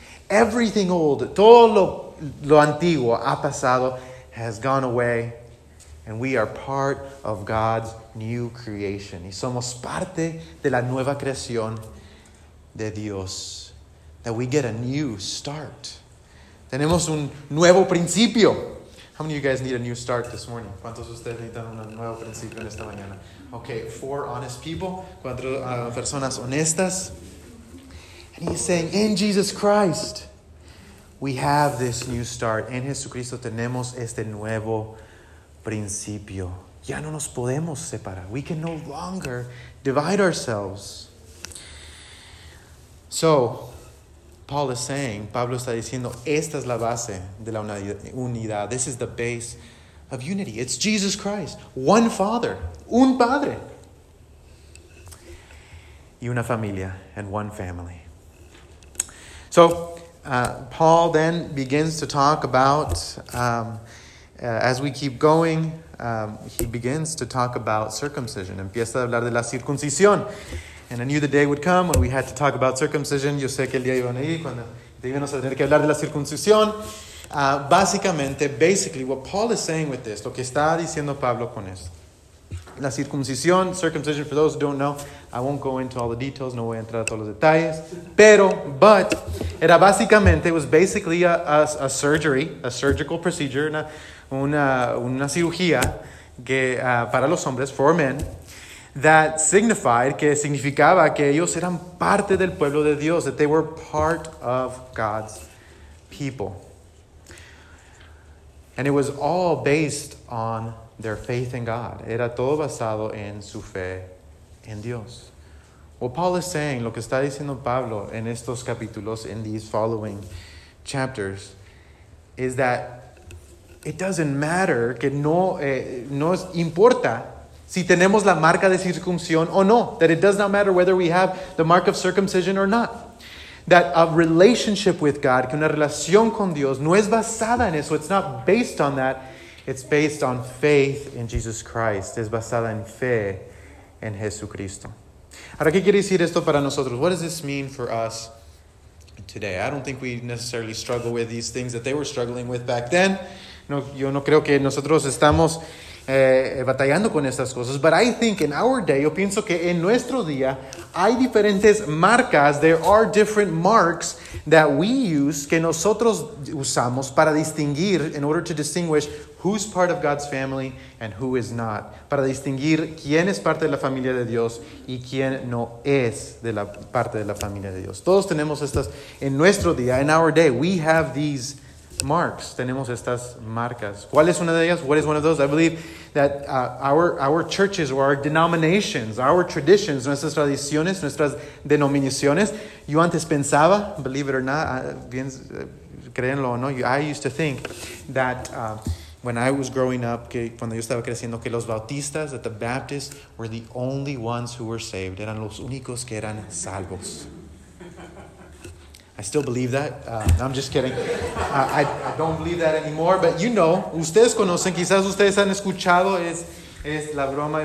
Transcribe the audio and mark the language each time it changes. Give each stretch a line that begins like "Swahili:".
English: Everything old,
Spanish: todo lo antiguo ha pasado,
English: has gone away, and we are part of God's new creation.
Spanish: Y somos parte de la nueva creación de Dios,
English: that we get a new start.
Spanish: Tenemos un nuevo principio.
English: How many of you guys need a new start this morning?
Spanish: ¿Cuántos ustedes necesitan un nuevo principio en esta mañana?
English: Okay, 4 honest people,
Spanish: 4 personas honestas.
English: And he's saying, in Jesus Christ, we have this new start.
Spanish: En Jesucristo tenemos este nuevo principio. Ya no nos podemos separar.
English: We can no longer divide ourselves. So, Paul is saying,
Spanish: Pablo está diciendo, esta es la base de la unidad.
English: This is the base of unity. It's Jesus Christ. One Father.
Spanish: Un Padre. Y una familia.
English: And one family. So, Paul then begins to talk about, as we keep going, he begins to talk about circumcision.
Spanish: Empieza a hablar de la circuncisión.
English: And I knew the day would come when we had to talk about circumcision.
Spanish: Yo sé que el día iban a ir cuando íbamos a tener que hablar de la circuncisión.
English: Basically, what Paul is saying with this,
Spanish: lo que está diciendo Pablo con esto. La circuncisión,
English: circumcision, for those who don't know, I won't go into all the details,
Spanish: no voy a entrar a todos los detalles.
English: But
Spanish: era básicamente,
English: it was basically a surgery, a surgical procedure,
Spanish: una cirugía que, para los hombres,
English: for men, that signified,
Spanish: que significaba que ellos eran parte del pueblo de Dios,
English: that they were part of God's people. And it was all based on their faith in God.
Spanish: Era todo basado en su fe en Dios.
English: What Paul is saying,
Spanish: lo que está diciendo Pablo en estos capítulos,
English: in these following chapters, is that it doesn't matter,
Spanish: que no importa si tenemos la marca de circuncisión o no.
English: That it does not matter whether we have the mark of circumcision or not. that a relationship with God,
Spanish: que una relación con Dios, no es basada en eso.
English: It's not based on that. It's based on faith in Jesus Christ.
Spanish: Es basada en fe en Jesucristo. Ahora, ¿qué quiere decir esto para nosotros?
English: What does this mean for us today? I don't think we necessarily struggle with these things that they were struggling with back then.
Spanish: No, yo no creo que nosotros estamos batallando con estas cosas.
English: But I think in our day,
Spanish: yo pienso que en nuestro día,
English: hay diferentes marcas, there are different marks that we use,
Spanish: que nosotros usamos para distinguir,
English: in order to distinguish who's part of God's family and who is not.
Spanish: Para distinguir quién es parte de la familia de Dios y quién no es de la parte de la familia de Dios. Todos tenemos estas en nuestro día,
English: in our day, we have these marks.
Spanish: Tenemos estas marcas. ¿Cuál es una de ellas?
English: What is one of those? I believe that our churches or our denominations, our traditions,
Spanish: nuestras tradiciones, nuestras denominaciones.
English: Yo antes pensaba, believe it or not,
Spanish: créanlo o no,
English: I used to think that when I was growing up,
Spanish: cuando yo estaba creciendo, que los bautistas,
English: that the Baptists were the only ones who were saved.
Spanish: Eran los únicos que eran salvos.
English: I still believe that. No, I'm just kidding. I don't believe that anymore. But you know,
Spanish: ustedes conocen, quizás ustedes han escuchado, es la broma.